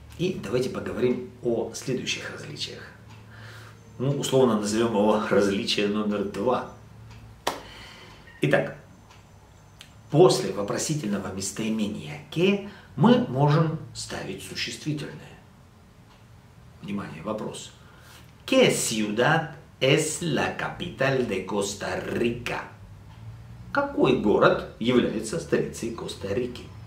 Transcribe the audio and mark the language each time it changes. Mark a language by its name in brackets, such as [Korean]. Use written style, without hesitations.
[Russian] И давайте поговорим о следующих различиях. Ну, условно назовем его различие номер два. Итак, после вопросительного местоимения «que» мы можем ставить существительное. Внимание, вопрос. [Spanish] ¿Qué ciudad es la capital de Costa Rica? [Russian] Какой город является столицей Коста-Рики?